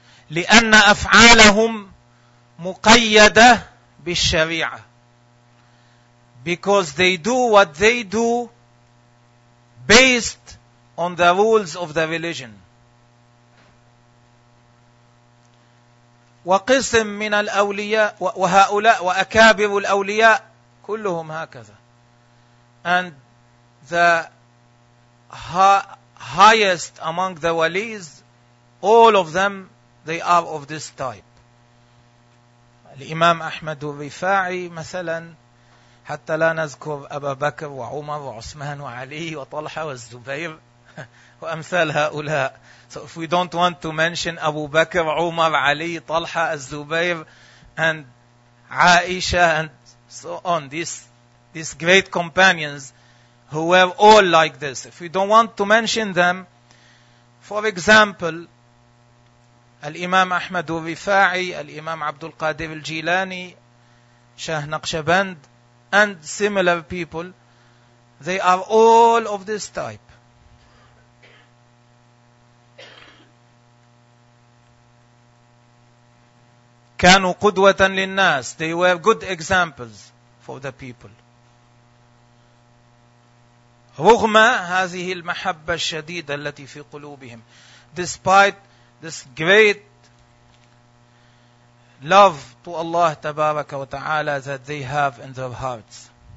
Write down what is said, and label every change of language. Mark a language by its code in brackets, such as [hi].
[ar] لأن أفعالهم مقيدة بالشريعة. [en] Because they do what they do based on the rules of the religion. [ar] وقسم من الأولياء وهؤلاء وأكابر الأولياء كلهم هكذا. [en] And the highest among the walis, all of them, they are of this type. [ar] الإمام أحمد الرفاعي مثلا, حتى لا نذكر أبا بكر وعمر وعثمان وعلي وطلحة والزبير وأمثال هؤلاء. [en] So if we don't want to mention Abu Bakr, Umar, Ali, Talha, Az-Zubayr, and Aisha, and so on, these great companions who were all like this. If we don't want to mention them, for example, Al-Imam Ahmad al-Rifa'i, Al-Imam Abdul Qadir al-Jilani, Shah Naqshband, and similar people, they are all of this type. [ar] كانوا قدوة للناس. [en] They were good examples for the people. [ar] رغم هذه المحبة الشديدة التي في قلوبهم. [en] Despite this great love to Allah [ar] تبارك وتعالى [en] that they have in their hearts.